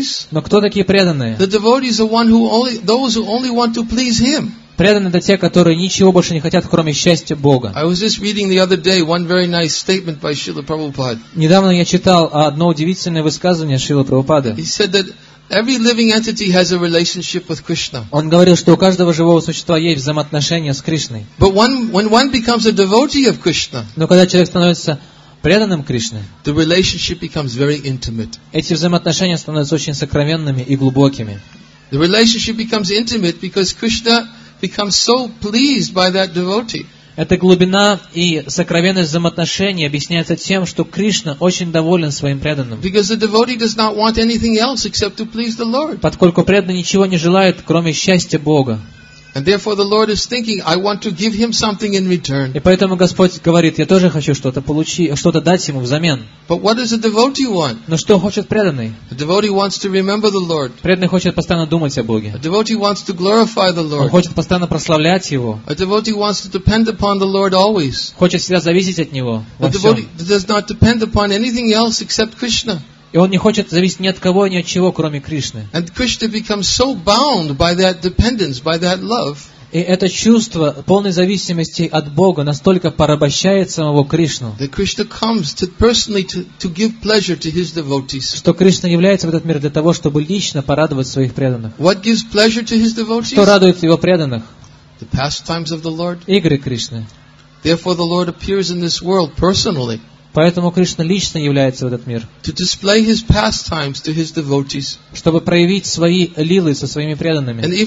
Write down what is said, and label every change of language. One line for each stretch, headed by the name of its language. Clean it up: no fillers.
Russian: Но кто такие преданные? Преданные — это те, кто только хочет удовлетворить Его. Преданы — это те, которые ничего больше не хотят, кроме счастья Бога. Недавно я читал одно удивительное высказывание Шрилы Прабхупады.
English: Every living entity has a relationship with Krishna.
Russian: Он говорил, что у каждого живого существа есть взаимоотношения с Кришной.
English: But when one becomes a devotee of Krishna,
Russian: но когда человек становится преданным Кришне,
English: the relationship becomes very intimate.
Russian: Эти взаимоотношения становятся очень сокровенными и глубокими.
English: The relationship becomes intimate because Krishna becomes so pleased by that devotee.
Russian: Эта глубина и сокровенность взаимоотношений объясняется тем, что Кришна очень доволен своим преданным.
English: Because the devotee does not want anything else except to please the Lord.
Russian: Поскольку преданный ничего не желает, кроме счастья Бога.
English: And therefore the Lord is thinking, I want to give him something in return.
Russian: И поэтому Господь говорит, я тоже хочу что-то получить, что-то дать ему взамен.
English: But what does the devotee want?
Russian: Но что хочет преданный?
English: The devotee wants to remember the Lord.
Russian: Преданный хочет постоянно думать о Боге.
English: The devotee wants to glorify the Lord.
Russian: Он хочет постоянно прославлять Его.
English: A devotee wants to depend upon the Lord always.
Russian: Хочет всегда зависеть от Него во всем.
English: The devotee does not depend upon anything else except Krishna.
Russian: И он не хочет зависеть ни от кого, ни от чего, кроме Кришны.
English: And Krishna becomes so bound by that dependence, by that love.
Russian: И это чувство полной зависимости от Бога настолько порабощает самого Кришну, что Кришна является в этот мир для того, чтобы лично порадовать своих преданных.
English: What gives pleasure to his devotees?
Russian: Что радует его преданных?
English: The pastimes of the Lord.
Russian: Игры Кришны.
English: Therefore, the Lord appears in this world personally.
Russian: Поэтому Кришна лично является в этот мир, чтобы проявить свои лилы со своими преданными.